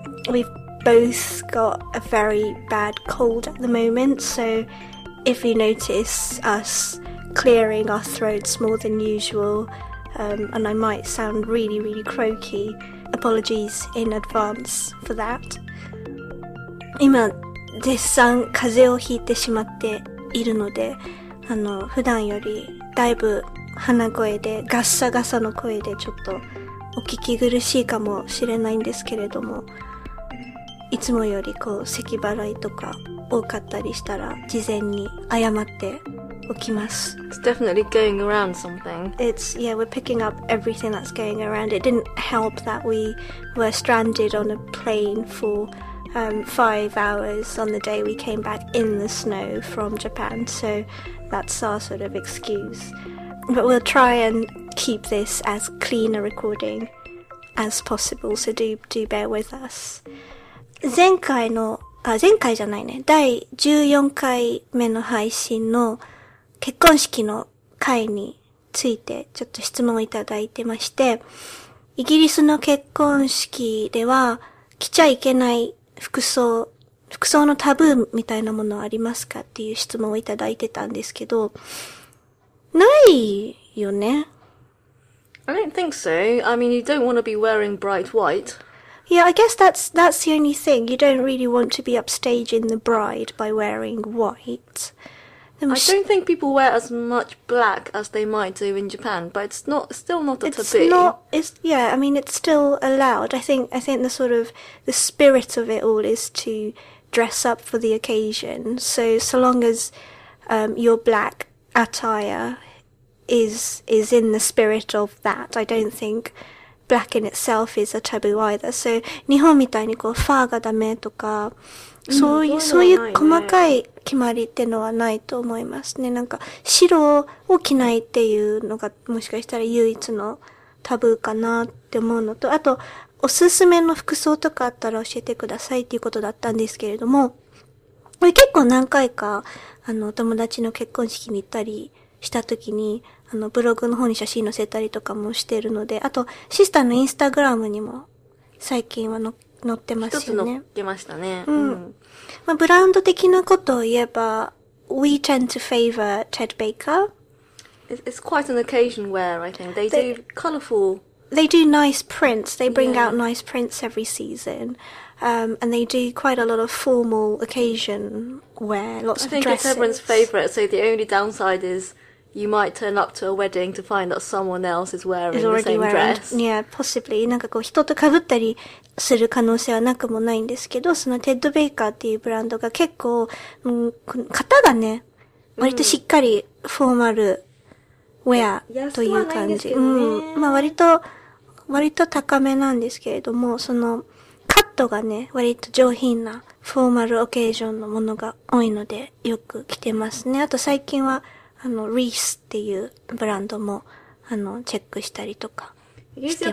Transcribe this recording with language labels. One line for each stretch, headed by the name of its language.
English: We've both got a very bad cold at the moment, so if you notice us clearing our throats more than usual, and I might sound really, really croaky, apologies in advance for that.
Japanese: 今、絶賛風邪をひいてしまっているので、普段よりだいぶ鼻声でガッサガサの声でちょっとお聞き苦しいかもしれないんですけれども、いつもよりこう咳払いとか多かったりしたら事前に謝っておきます。
English: It's definitely going around something. It's, yeah, we're picking up everything that's going around. It didn't help that we were stranded on a plane for 5 hours on the day we came back in the snow from Japan, so that's our sort of excuse. But we'll try and keep this as clean a recording as possible, so do bear with us.
Japanese: 第14回目の配信の結婚式の会についてちょっと質問をいただいてまして、イギリスの結婚式では着ちゃいけない服装のタブーみたいなものありますかっていう質問をいただいてたんですけど、ないよね。
English: I don't think so. I mean, you don't want to be wearing bright white. Yeah, I guess that's the only thing. You don't really want to be upstaging the bride by wearing white. I don't think people wear as much black as they might do in Japan, but it's still allowed. I think the sort of the spirit of it all is to dress up for the occasion. So long as your black attire is in the spirit of that, I don't think black in itself is a taboo either. So
Japanese: 日本みたいにこうファーがダメとか、そういう細かい決まりってのはないと思いますね。なんか白を着ないっていうのがもしかしたら唯一のタブーかなって思うのと、あとおすすめの服装とかあったら教えてくださいっていうことだったんですけれども、結構何回か友達の結婚式に行ったりした時にブログの方に写真載せたりとかもしてるので、あとシスターのインスタグラムにも最近は載ってますよね。一つ載ってましたね。まあ、ブランド的なことを言えば、
English: We tend to favor Ted Baker. It's quite an occasion wear, I think. They do colorful. They do nice prints. They bring out nice prints every season. And they do quite a lot of formal occasion wear. Lots of dresses. I think it's everyone's favorite. So the only downside is you might turn up to a wedding to find that someone else is wearing is already the same wearing. Dress. Yeah, possibly.
Japanese: なんかこう人と被ったりする可能性はなくもないんですけど、そのテッドベイカーっていうブランドが結構、型がね、割としっかりフォーマルウェアという感じ。安はないですけどね。まあ割と高めなんですけれども、そのカットがね、割と上品なフォーマルオケーションのものが多いのでよく着てますね。あと最近はリースっていうブランドもチェックしたりとかしてます。